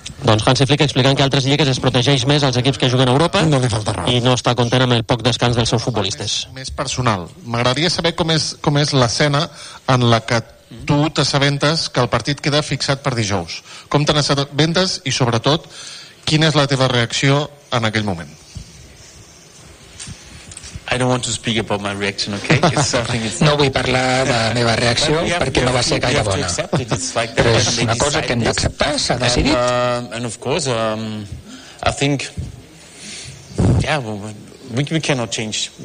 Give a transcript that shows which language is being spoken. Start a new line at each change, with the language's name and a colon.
Catalan: Doncs Hansi Flick explicant que altres lligues es protegeix més als equips que juguen a Europa i no està content amb el poc descans dels seus futbolistes. Més personal. M'agradaria saber com és l'escena en la que tu t'assabentes que el partit queda fixat per dijous. Com te n'assabentes i, sobretot, quina és la teva reacció en aquell moment?
English: I don't want to speak about my reaction, okay? It's
Catalan: no vull parlar de la meva reacció perquè no va ser gaire bona. Like, però és una cosa que hem d'acceptar, s'ha decidit.
English: And of course, I think, yeah, we cannot change.